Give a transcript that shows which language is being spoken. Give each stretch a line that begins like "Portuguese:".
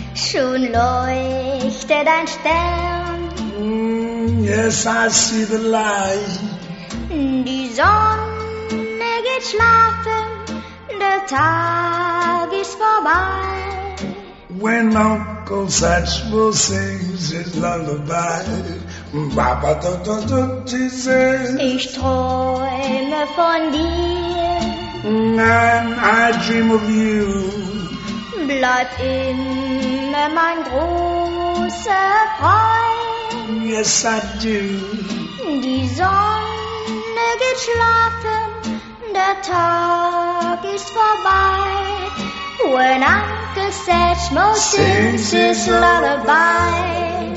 German: Schon leuchtet ein Stern.
English: Yes, I see the light.
German: Die Sonne geht schlafen. Der Tag ist vorbei.
English: When Uncle Satchmo sings his lullaby, Baba da da da, he says,
German: ich träume von dir,
English: and I dream of you.
German: Bleib immer mein großer Freund.
English: Yes, I do.
German: Die Sonne geht schlafen, der Tag ist vorbei.
English: When Uncle Satchmo sings his lullaby,